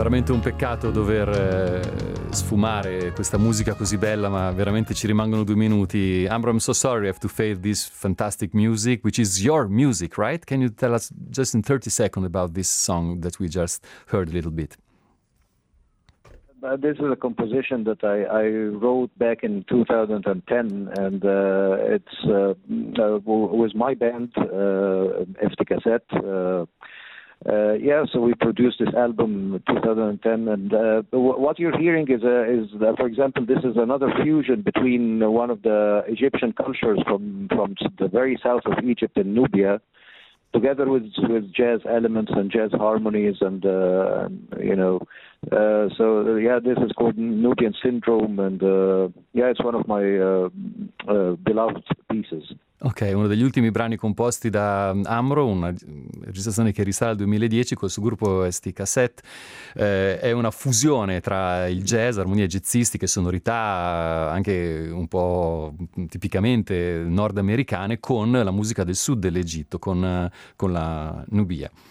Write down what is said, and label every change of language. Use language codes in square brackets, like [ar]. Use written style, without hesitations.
[it] Un peccato dover sfumare questa musica così bella, ma veramente ci rimangono 2 minuti. [en] Amro, I'm so sorry I have to fail this fantastic music, which is your music, right? Can you tell us just in 30 seconds about this song that we just heard a little bit? This is a composition that I wrote back in 2010, and it's with my band, FT Cassette. So we produced this album in 2010, and what you're hearing is that, for example, this is another fusion between one of the Egyptian cultures from the very south of Egypt and Nubia, together with jazz elements and jazz harmonies, and this is called Nubian Syndrome, and it's one of my beloved pieces. [it] Ok, uno degli ultimi brani composti da Amro, una registrazione che risale al 2010 col suo gruppo ST Cassette, è una fusione tra il jazz, armonie jazzistiche, sonorità anche un po' tipicamente nordamericane, con la musica del sud dell'Egitto, con la Nubia.